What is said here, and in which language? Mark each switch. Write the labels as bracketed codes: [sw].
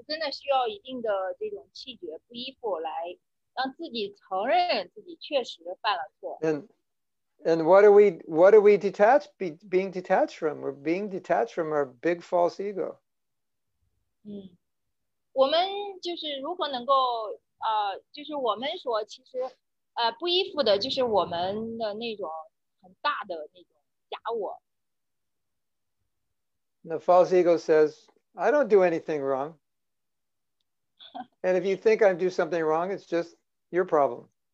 [zh] 所以呢，如果某人跟你说你做了某些错事的话呢，就真的需要一定的这种气绝，不依附来。 [en] And what are we detached being detached from? We're being detached from our big false ego. [zh] 我们就是如何能够，就是我们所其实不依附的，就是我们的那种很大的那种假我。 [en] The false ego says, "I don't do anything wrong." And if you think I do something wrong, it's just your problem.